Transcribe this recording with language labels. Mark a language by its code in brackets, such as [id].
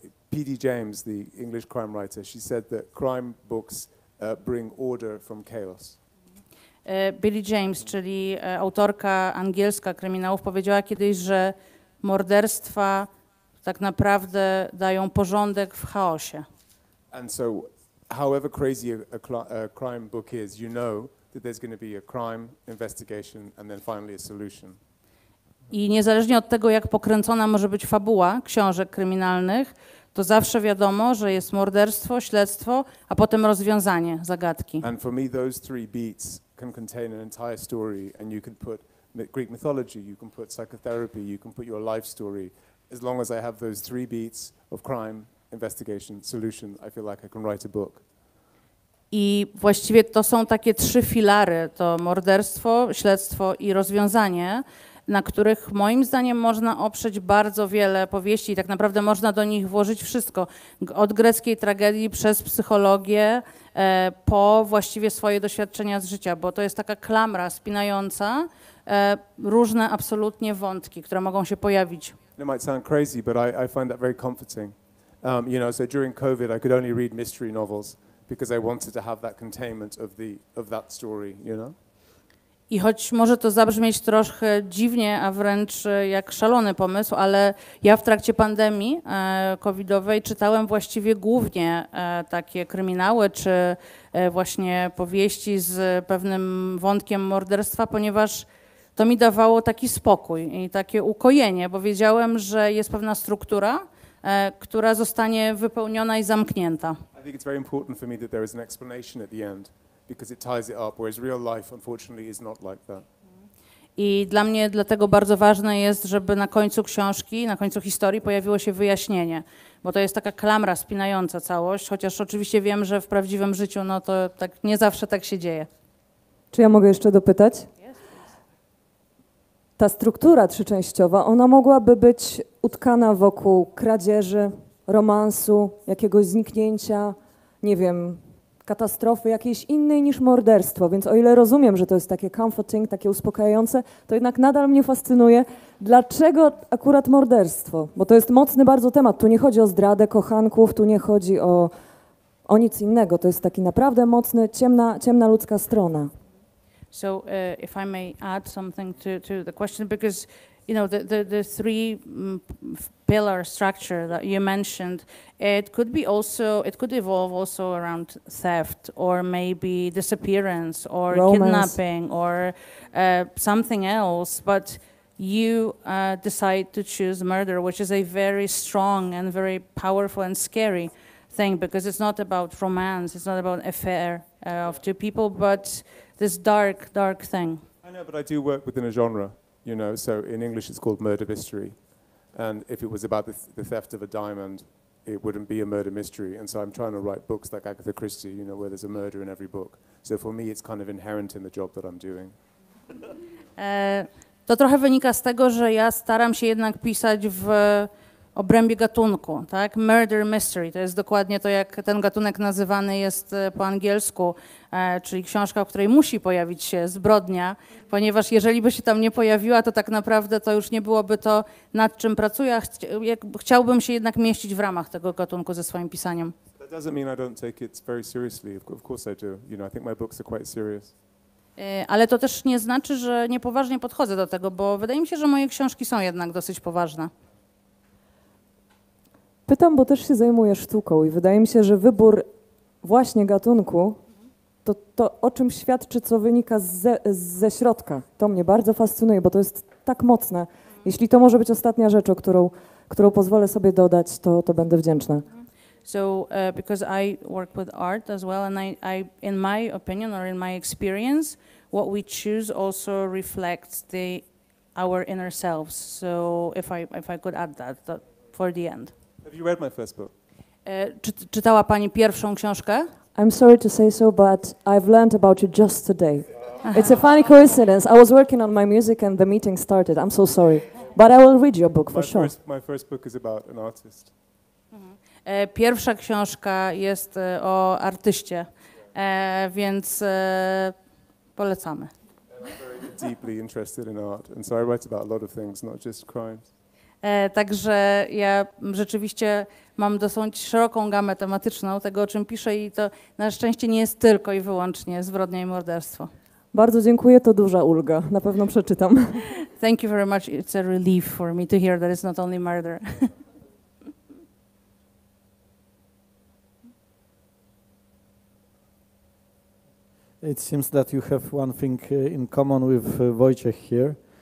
[en] P.D. James, the English crime writer, she said that crime books bring order from chaos. [pl] P.D. James, czyli autorka angielska kryminałów, powiedziała kiedyś, że morderstwa tak naprawdę dają porządek w chaosie. [en] And so however crazy a crime book is, you know that there's going to be a crime investigation and then finally a solution. [pl] I niezależnie od tego, jak pokręcona może być fabuła książek kryminalnych, to zawsze wiadomo, że jest morderstwo, śledztwo, a potem rozwiązanie zagadki. [en] And for me those three beats can contain an entire story and you can put Greek mythology, you can put psychotherapy, you can put your life story. As long as I have those three beats of crime, investigation, solution, I feel like I can write a book. [pl] I właściwie to są takie trzy filary, to morderstwo, śledztwo i rozwiązanie, na których moim zdaniem można oprzeć bardzo wiele powieści i tak naprawdę można do nich włożyć wszystko. Od greckiej tragedii przez psychologię po właściwie swoje doświadczenia z życia, bo to jest taka klamra spinająca różne absolutnie wątki, które mogą się pojawić. [en] It might sound crazy, but I find that very comforting. You know, so during COVID, I could only read mystery novels because I wanted to have that containment of that story, you know? [pl] I choć może to zabrzmieć trochę dziwnie, a wręcz jak szalony pomysł, ale ja w trakcie pandemii covidowej czytałem właściwie głównie takie kryminały czy właśnie powieści z pewnym wątkiem morderstwa, ponieważ to mi dawało taki spokój i takie ukojenie, bo wiedziałem, że jest pewna struktura, która zostanie wypełniona i zamknięta. [en] I think it's very important for me that there is an explanation at the end, because it ties it up, whereas real life unfortunately is not like that. [pl] I dla mnie dlatego bardzo ważne jest, żeby na końcu książki, na końcu historii pojawiło się wyjaśnienie, bo to jest taka klamra spinająca całość, chociaż oczywiście wiem, że w prawdziwym życiu no to tak nie zawsze tak się dzieje. Czy ja mogę jeszcze dopytać? Ta struktura trzyczęściowa, ona mogłaby być utkana wokół kradzieży, romansu, jakiegoś zniknięcia, nie wiem, katastrofy jakiejś innej niż morderstwo, więc o ile rozumiem, że to jest takie comforting, takie uspokajające, to jednak nadal mnie fascynuje, dlaczego akurat morderstwo? Bo to jest mocny bardzo temat, tu nie chodzi o zdradę kochanków, tu nie chodzi o nic innego, to jest taki naprawdę mocny, ciemna ludzka strona. [en] So if I may add something to the question, because you know the three pillar structure that you mentioned, it could evolve also around theft or maybe disappearance or romance. Kidnapping or something else, but you decide to choose murder, which is a very strong and very powerful and scary thing, because it's not about romance, it's not about affair of two people, but this dark, dark thing. I know, but I do work within a genre, you know, so in English it's called murder mystery. And if it was about the theft of a diamond, it wouldn't be a murder mystery. And so I'm trying to write books like Agatha Christie, you know, where there's a murder in every book. So for me it's kind of inherent in the job that I'm doing. [pl] To trochę wynika z tego, że ja staram się jednak pisać w obrębie gatunku, tak? Murder mystery, to jest dokładnie to, jak ten gatunek nazywany jest po angielsku, czyli książka, w której musi pojawić się zbrodnia, ponieważ jeżeli by się tam nie pojawiła, to tak naprawdę to już nie byłoby to, nad czym pracuję. Chciałbym się jednak mieścić w ramach tego gatunku ze swoim pisaniem. [en] That doesn't mean I don't take it very seriously. Of course I do. You know, I think my books are quite serious. [pl] Ale to też nie znaczy, że niepoważnie podchodzę do tego, bo wydaje mi się, że moje książki są jednak dosyć poważne. Pytam, bo też się zajmuję sztuką i wydaje mi się, że wybór właśnie gatunku to o czym świadczy, co wynika ze środka. To mnie bardzo fascynuje, bo to jest tak mocne. Jeśli to może być ostatnia rzecz, o którą pozwolę sobie dodać, to będę wdzięczna. [en] So because I work with art as well and I in my opinion or in my experience, what we choose also reflects the our inner selves. So if I could add that for the end. Have you read my first book? [pl] Czytała pani pierwszą książkę? [en] I'm sorry to say so, but I've learned about you just today. It's a funny coincidence. I was working on my music and the meeting started. I'm so sorry. But I will read your book for my sure. My first book is about an artist. [pl] Pierwsza książka jest o artyście, więc polecamy. [en] I'm very deeply interested in art, and so I write about a lot of things, not just crimes. [pl] Także ja rzeczywiście mam dosyć szeroką gamę tematyczną tego, o czym piszę i to na szczęście nie jest tylko i wyłącznie zbrodnia i morderstwo. Bardzo dziękuję, to duża ulga. Na pewno przeczytam. [en] Thank you very much. It's a relief for me to hear that it's not only murder. It seems that you have one thing in common with Wojciech here.